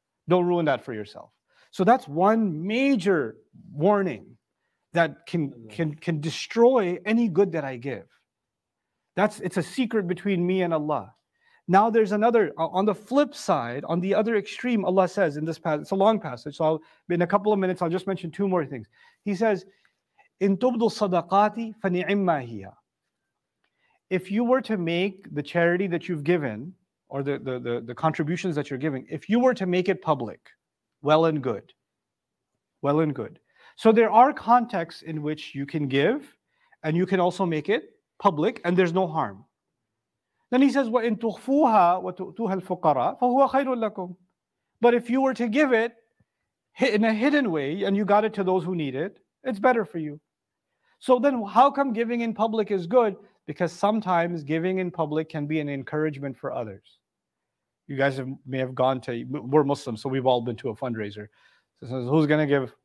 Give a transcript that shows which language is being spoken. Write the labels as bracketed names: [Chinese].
[English] Don't ruin that for yourself. So that's one major warning that can destroy any good that I give. It's a secret between me and Allah. Now there's another, on the flip side, on the other extreme, Allah says in this passage, it's a long passage, so in a couple of minutes, I'll just mention two more things. He says, [Arabic] إِن تُبْدُوا صَدَقَاتِ فَنِعِمَّا هِيَا. [English] If you were to make the charity that you've given, or the contributions that you're giving, if you were to make it public, well and good. So there are contexts in which you can give, and you can also make it public, and there's no harm. Then he says, [Arabic] وَإِن تُخْفُوهَا وَتُؤْتُوهَا الْفُقَرَى فَهُوَ خَيْرٌ لَكُمْ. [English] But if you were to give it in a hidden way, and you got it to those who need it, it's better for you. So then how come giving in public is good? Because sometimes giving in public can be an encouragement for others. You guys may have gone to, we're Muslims, so we've all been to a fundraiser. So says, who's going to give?